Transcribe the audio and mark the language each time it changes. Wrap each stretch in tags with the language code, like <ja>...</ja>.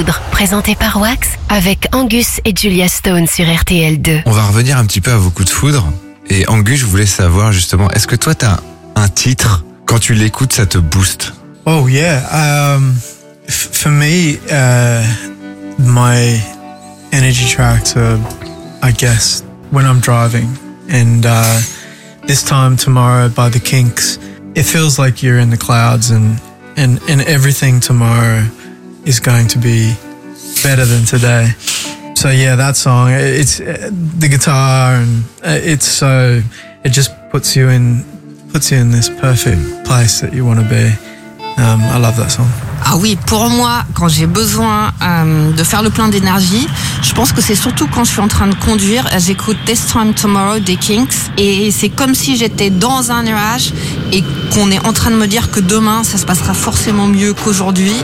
<fr>Présenté par Wax avec Angus et Julia Stone sur RTL 2. On va revenir un petit peu à vos coups de foudre. Et Angus, je voulais savoir justement, est-ce que toi, t'as un titre, quand tu l'écoutes, ça te booste?</fr> <en>Oh yeah, for me, my energy tracks are, I guess, when I'm driving. And This Time Tomorrow by The Kinks, it feels like you're in the clouds and everything tomorrow is going to be better than today. So yeah, that song, it's the guitar, and it's so, it just puts you in this perfect place that you want to be. I love that song.</en> <fr>Ah oui, pour moi, quand j'ai besoin de faire le plein d'énergie, je pense que c'est surtout quand je suis en train de conduire, j'écoute This Time Tomorrow des Kinks, et c'est comme si j'étais dans un nuage et qu'on est en train de me dire que demain, ça se passera forcément mieux qu'aujourd'hui.</fr>